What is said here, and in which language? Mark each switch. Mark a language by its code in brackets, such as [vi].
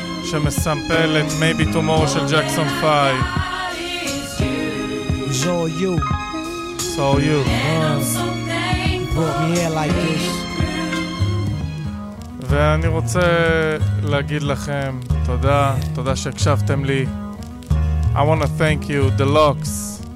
[he] שמסמפל את Maybe Tomorrow של Jackson 5. [en] It's all you. It's all you. Brought me here like this. [he] ואני רוצה להגיד לכם תודה, תודה שהקשבתם לי. [en] I want to thank you, the locks.